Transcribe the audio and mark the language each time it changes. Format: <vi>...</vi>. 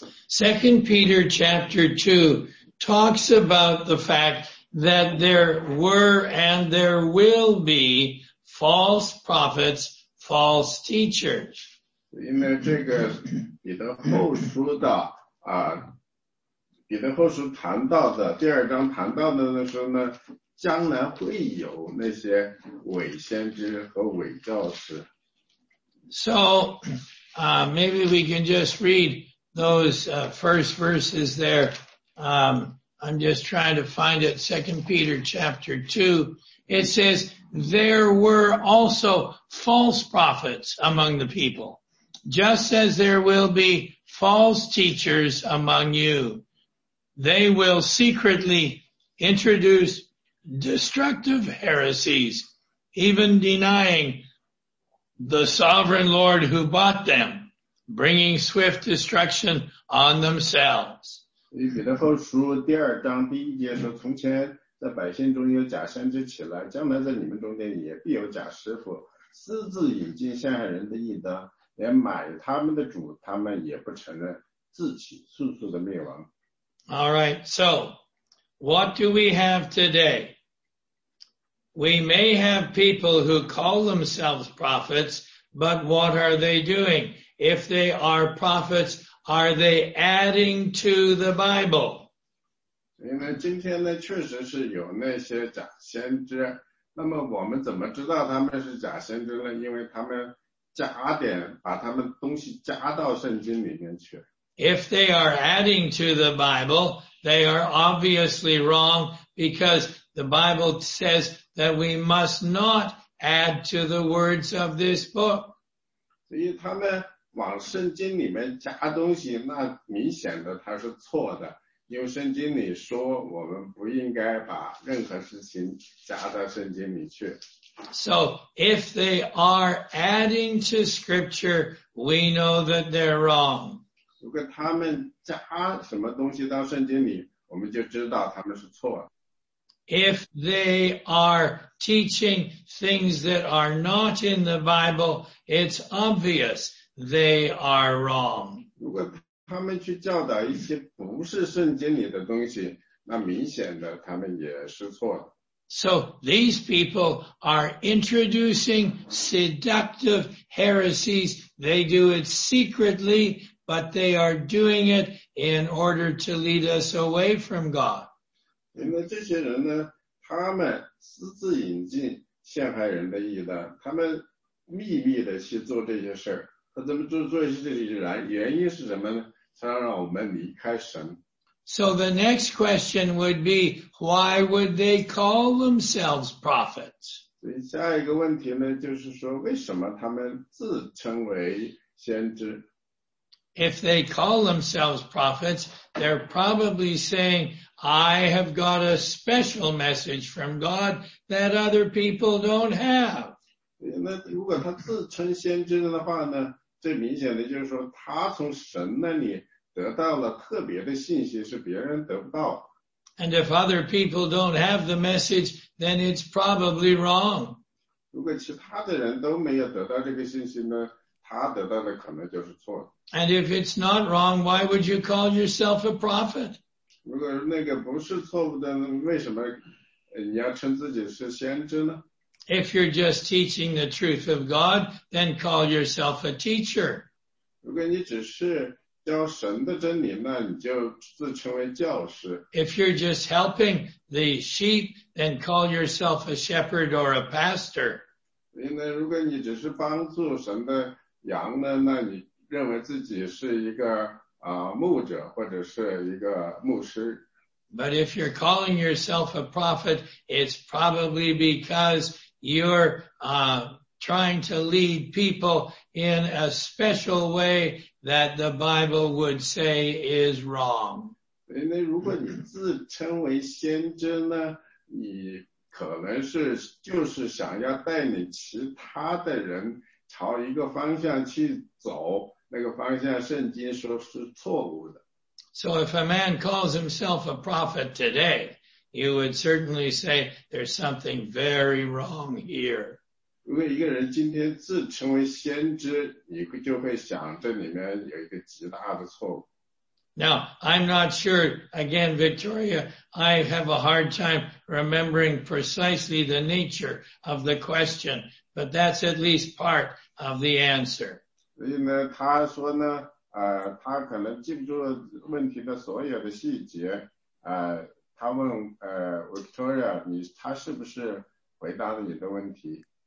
<en>Second Peter chapter 2 talks about the fact that there were and there will be false prophets, false teachers.</en> <zh>因为这个彼得后书的啊，彼得后书谈到的第二章谈到的那时候呢，将来会有那些伪先知和伪教师。</zh> <en>So, maybe we can just read those first verses there. I'm just trying to find it. 2 Peter chapter 2. It says, there were also false prophets among the people, just as there will be false teachers among you. They will secretly introduce destructive heresies, even denying the sovereign Lord who bought them, bringing swift destruction on themselves.</en> <zh>与彼得后书第二章第一节说，从前在百姓中有假先知起来，将来在你们中间也必有假师傅，私自引进陷害人的义德，连买他们的主他们也不承认，自取速速的灭亡。</zh> <en>All right, so what do we have today? We may have people who call themselves prophets, but what are they doing? If they are prophets, are they adding to the Bible?</en> <zh>所以呢，今天呢，确实是有那些假先知。那么我们怎么知道他们是假先知呢？因为他们加点，把他们东西加到圣经里面去。</zh> <en>If they are adding to the Bible, they are obviously wrong, because the Bible says that we must not add to the words of this book.</en> <zh>所以他们往圣经里面加东西，那明显的它是错的，因为圣经里说我们不应该把任何事情加到圣经里去。</zh> <en>So, if they are adding to scripture, we know that they're wrong.</en> <zh>如果他们加什么东西到圣经里，我们就知道他们是错的。</zh> <en>If they are teaching things that are not in the Bible, it's obvious they are wrong.</en> <zh>如果他们去教导一些不是圣经里的东西，那明显的他们也是错的。</zh> <en>So these people are introducing seductive heresies. They do it secretly, but they are doing it in order to lead us away from God.</en> <zh>因为这些人呢，他们私自引进陷害人的义的，他们秘密的去做这些事儿。他怎么做这些人？原因是什么呢？他让我们离开神。</zh> <en>So the next question would be, why would they call themselves prophets?</en> <zh>所以下一个问题呢，就是说为什么他们自称为先知？</zh> <en>If they call themselves prophets, they're probably saying, I have got a special message from God that other people don't have.</en> <zh>那如果他自称先知的话呢，最明显的就是说他从神那里得到了特别的信息，是别人得不到。</zh> <en>And if other people don't have the message, then it's probably wrong.</en> <zh>如果其他的人都没有得到这个信息呢，他得到的可能就是错。</zh> <en>And if it's not wrong, why would you call yourself a prophet?</en> <zh>如果那个不是错误的，为什么你要称自己是先知呢？</zh> <en>If you're just teaching the truth of God, then call yourself a teacher.</en> <zh>如果你只是教神的真理，那你就自称为教师。</zh> <en>If you're just helping the sheep, then call yourself a shepherd or a pastor.</en> <zh>因为如果你只是帮助神的羊呢，那你认为自己是一个牧者或者是一个牧师。</zh> <en>But if you're calling yourself a prophet, it's probably because you're trying to lead people in a special way that the Bible would say is wrong.</en> <zh>因为如果你自称为先知呢，你可能是就是想要带领其他的人朝一个方向去走，那个方向圣经说是错误的。</zh> <en>So if a man calls himself a prophet today, you would certainly say there's something very wrong here.</en> <zh>如果一个人今天自称为先知，你就会想这里面有一个极大的错误。</zh> <en>Now, I'm not sure, again, Victoria, I have a hard time remembering precisely the nature of the question, but that's at least part of the answer.</en> <zh>所以呢，他说呢，他可能记不住问题的所有的细节，他问Victoria, 你他是不是回答了你的问题？</zh>